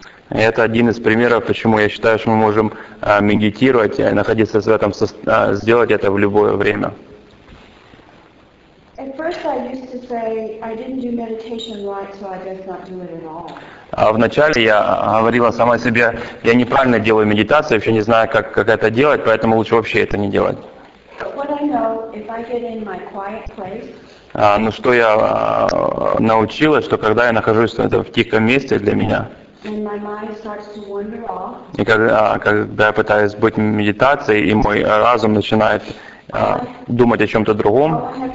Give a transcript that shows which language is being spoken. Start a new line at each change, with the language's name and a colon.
Russian: Это один из примеров, почему я считаю, что мы можем медитировать, находиться в этом, сделать это в любое время.
English: At first I used to say I didn't do meditation right, so I best not do it at all.
Russian: А вначале я говорила сама себе, я неправильно делаю медитацию, вообще не знаю, как это делать, поэтому лучше вообще это не делать.
English: But what I know, if I get in my quiet place.
Russian: Ну что я научилась, что когда я нахожусь в тихом месте для меня.
English: And my mind starts to wander off.
Russian: И когда я пытаюсь быть в медитации, и мой разум начинает думать о чем-то другом.